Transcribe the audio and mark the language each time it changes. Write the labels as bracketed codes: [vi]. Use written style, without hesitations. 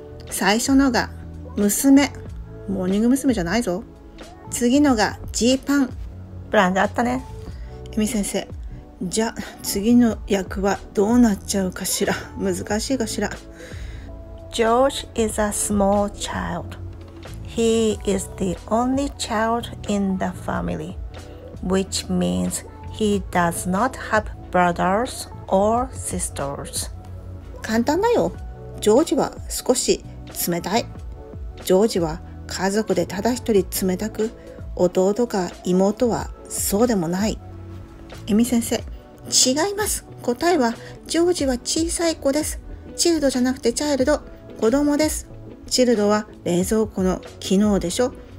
[ja] 最初のが、娘。モーニング娘じゃないぞ。次のが、ジーパン。ブランドあったね。恵美先生、じゃあ次の役はどうなっちゃうかしら、難しいかしら。 [en] George is a small child. He is the only child in the family, which means he does not have brothers or sisters. [ja] 簡単だよ。ジョージは少し冷たい。ジョージは家族でただ一人冷たく、弟か妹はそうでもない。恵美先生、違います。答えは、ジョージは小さい子です。チルドじゃなくてチャイルド、子供です。チルドは冷蔵庫の機能でしょ。